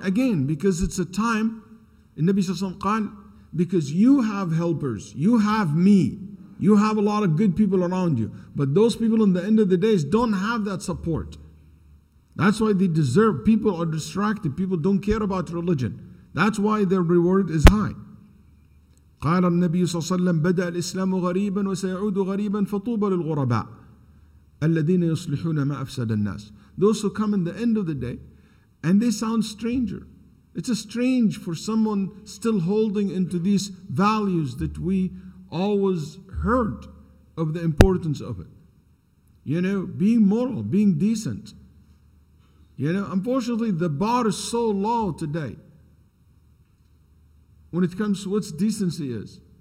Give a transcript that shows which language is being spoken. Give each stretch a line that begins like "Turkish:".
English: Again, because it's a time, and Nabi Sallallahu Alaihi Wasallam said, because you have helpers, you have me, you have a lot of good people around you, but those people in the end of the days don't have that support. That's why they deserve, people are distracted, people don't care about religion. That's why their reward is high.
Arabic: قال النبي صلى الله عليه وسلم بدأ الإسلام غريبا وسيعود غريبا فطوبى للغرباء الذين يصلحون ما أفسد الناس.
English: Those who come in the end of the day and they sound stranger. It's a strange for someone still holding into these values that we always heard of the importance of it. You know, being moral, being decent. You know, unfortunately the bar is so low today when it comes to what decency is.